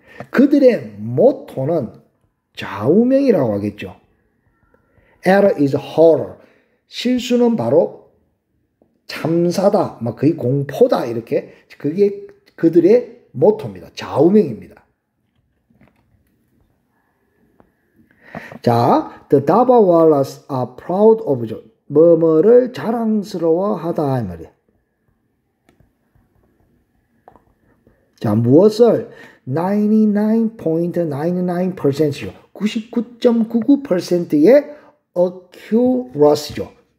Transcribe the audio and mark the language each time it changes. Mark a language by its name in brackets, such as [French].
[Korean] 그들의 모토는 좌우명이라고 하겠죠. [English] Error is horror. [Korean] 실수는 바로 참사다. 막 거의 공포다. 이렇게 그게 그들의 모토입니다. 좌우명입니다. [English] 자, The Dava Wallace are proud of you. [Korean] 뭐뭐를 자랑스러워하다 이 말이에요. 자, 무엇을 99.99%죠. 99.99%의 accuracy죠.